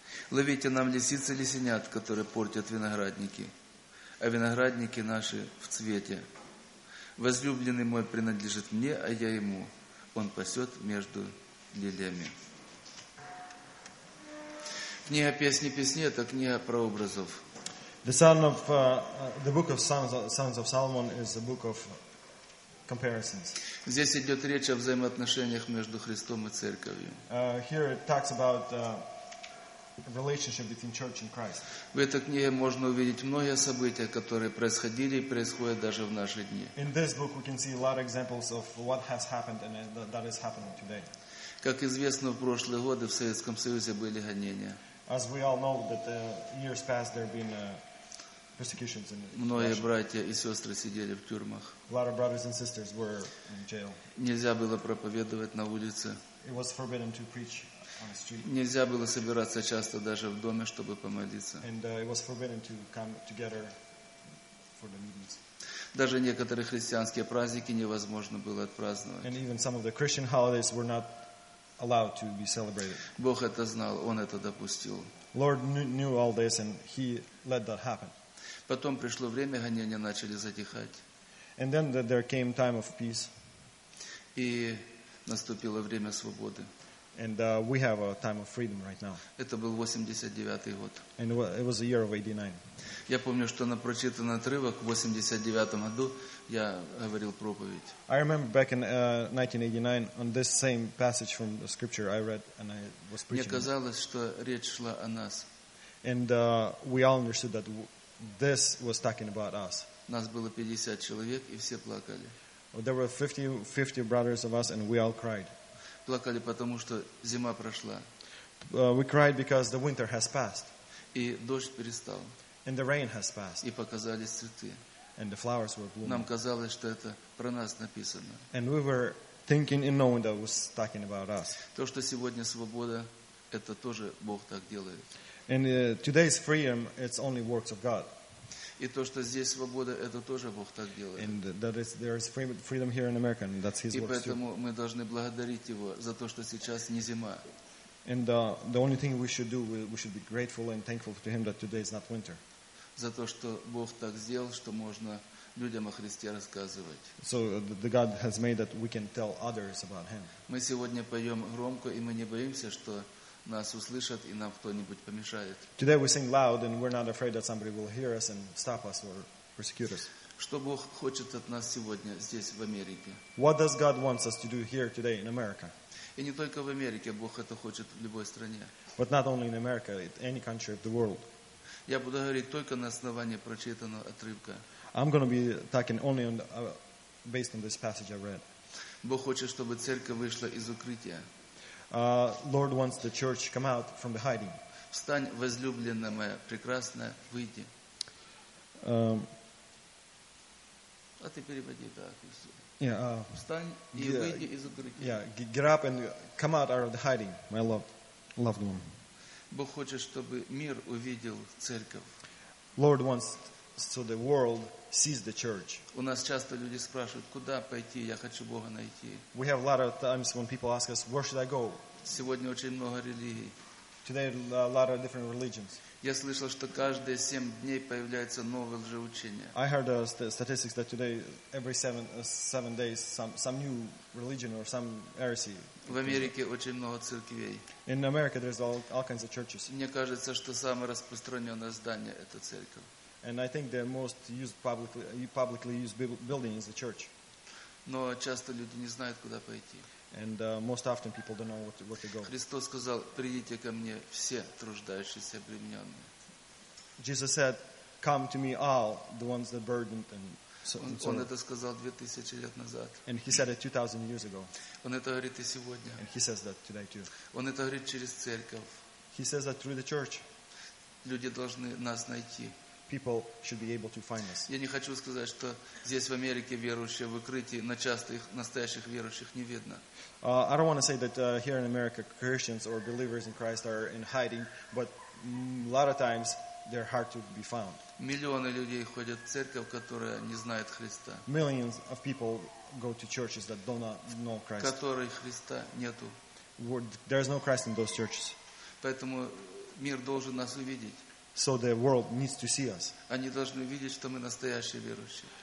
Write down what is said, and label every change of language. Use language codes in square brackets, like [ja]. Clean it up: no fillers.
[ru] Ловите нам лисицы и лисенят, которые портят виноградники, а виноградники наши в цвете. Возлюбленный мой принадлежит мне, а я ему, он пасет между лилиями. Книга песни песни – это книга прообразов. [en] The Song of the Book of Songs of Solomon is a book of comparisons. [ru] Здесь идет речь о взаимоотношениях между Христом и Церковью. [en] Here it talks about relationship between church and Christ. [ru] В этой книге можно увидеть многие события, которые происходили и происходят даже в наши дни. [en] In this book we can see a lot of examples of what has happened and that is happening today. [ru] Как известно, в прошлые годы в Советском Союзе были гонения. [en] As we all know that the years past there have been persecutions in Russia. [ru] Многие братья и сестры сидели в тюрьмах. [en] A lot of brothers and sisters were in jail. [ru] Нельзя было проповедовать на улице. [en] It was forbidden to preach. [ru] Нельзя было собираться часто даже в доме, чтобы помолиться. [en] And it was forbidden to come together for the meetings. [ru] Даже некоторые христианские праздники невозможно было отпраздновать. [en] And even some of the Christian holidays were not allowed to be celebrated. [ru] Бог это знал, Он это допустил. [en] Lord knew all this and He let that happen. [ru] Потом пришло время, гонения начали затихать. [en] And then there came time of peace. [ru] И наступило время свободы. [en] And we have a time of freedom right now. [ru] Это был 89-й год. [en] And it was the year of 89. [ru] Я помню, что на прочитанный отрывок в 89-м году я говорил проповедь. [en] I remember back in 1989 on this same passage from the scripture I read and I was preaching. [ru] Мне казалось, что речь шла о нас. [en] And we all understood that this was talking about us. [ru] Нас было 50 человек, и все плакали. [en] There were 50 brothers of us and we all cried. [ru] Плакали потому, что зима прошла. [en] We cried because the winter has passed. [ru] И дождь перестал. [en] And the rain has passed. [ru] И показались цветы. [en] And the flowers were blooming. [ru] Нам казалось, что это про нас написано. [en] And we were thinking and knowing that it was talking about us. [ru] То, что сегодня свобода, это тоже Бог так делает. [en] And today's freedom, it's only works of God. [ru] И то, что здесь свобода, это тоже Бог так делает. [en] And that is, there is freedom here in America, and that's His work. [ru] И поэтому мы должны благодарить Его за то, что сейчас не зима. [en] And the only thing we should do, we should be grateful and thankful to Him that today is not winter. [ru] За то, что Бог так сделал, что можно людям о Христе рассказывать. [en] So the God has made that we can tell others about Him. [ru] Мы сегодня поем громко, и мы не боимся, что нас услышат и нам кто-нибудь помешает. [en] Today we sing loud and we're not afraid that somebody will hear us and stop us or persecute us. [ru] Что Бог хочет от нас сегодня здесь в Америке? [en] What does God want us to do here today in America? [ru] И не только в Америке, Бог это хочет в любой стране. [en] But not only in America, in any country of the world. [ru] Я буду говорить только на основании прочитанного отрывка. [en] I'm going to be talking only on based on this passage I read. [ru] Бог хочет, чтобы церковь вышла из укрытия. [en] Lord wants the church to come out from the hiding. [ru] Встань, возлюбленная моя, прекрасная, выйди. А ты переводи так. Встань и выйди из укрытия. [en] Yeah, get up and come out of the hiding, my loved one. [ru] Бог хочет, чтобы мир увидел церковь. [en] Lord wants so the world sees the church. [ru] У нас часто люди спрашивают, куда пойти, я хочу Бога найти. [en] We have a lot of times when people ask us, where should I go? [ru] Сегодня очень много религий. [en] Today a lot of different religions. [ru] Я слышал, что каждые 7 дней появляется новое лжеучение. [en] I heard the statistics that today every 7 days some new religion or some heresy. [ru] В Америке очень много церквей. [en] In America there's all kinds of churches. [ru] Мне кажется, что самое распространенное здание это церковь. [en] And I think the most used publicly used building is the church. [ru] Но часто люди не знают, куда пойти. [en] And most often people don't know where to go. [ru] Христос сказал: «Придите ко мне все труждающиеся и обремененные». [en] Jesus said, "Come to me, all the ones that burdened and so on." [ru] Он это сказал 2000 лет назад. [en] And he said it 2000 years ago. [ru] Он это говорит и сегодня. [en] And he says that today too. [ru] Он это говорит через церковь. [en] He says that through the church. [ru] Люди должны нас найти. [en] People should be able to find us. [ru] Я не хочу сказать, что здесь в Америке верующие в укрытии, но часто их настоящих верующих не видно. [en] I don't want to say that here in America Christians or believers in Christ are in hiding, but a lot of times they're hard to be found. [ru] Миллионы людей ходят в церковь, которая не знает Христа. [en] Millions of people go to churches that do not know Christ. [ru] Которых Христа нету. [en] There's no Christ in those churches. [ru] Поэтому мир должен нас увидеть. [en] So the world needs to see us. [ru] Они должны видеть, что мы настоящие верующие.